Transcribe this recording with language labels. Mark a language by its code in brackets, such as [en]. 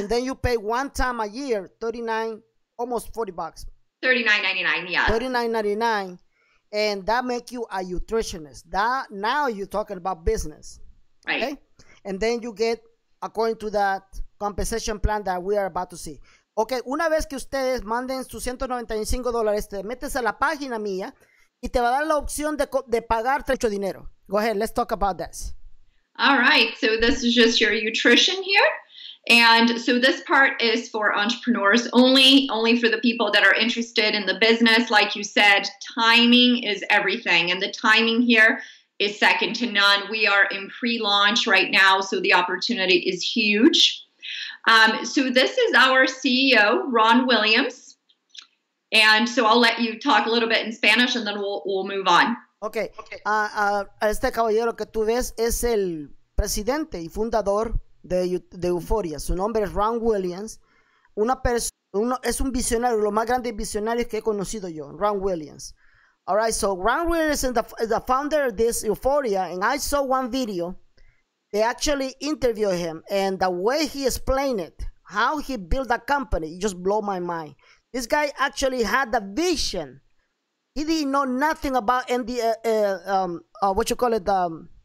[en] And then you pay one time a year, almost $40. $39.99, yeah. And that make you a nutritionist. That, now you're talking about business. Right. Okay? And then you get, according to that compensation plan that we are about to see. [es] Okay, una vez que ustedes manden sus $195, te metes a la página mía y te va a dar la opción de pagar trecho dinero. [en] Go ahead, let's talk about this. All right, so this is just your nutrition here? And so this part is for entrepreneurs only for the people that are interested in the business. Like you said, timing is everything. And the timing here is second to none. We are in pre-launch right now, so the opportunity is huge. So this is our CEO, Ron Williams. And so I'll let you talk a little bit in Spanish and then we'll move on. Okay. [es] Este caballero que tú ves es el presidente y fundador de Uforia. Su nombre es Ron Williams. Es un visionario, lo más grande visionario que he conocido yo, Ron Williams. [en] All right, so Ron Williams is the founder of this Uforia, and I saw one video. They actually interviewed him, and the way he explained it, how he built a company, it just blew my mind. This guy actually had the vision. He didn't know nothing about DNA.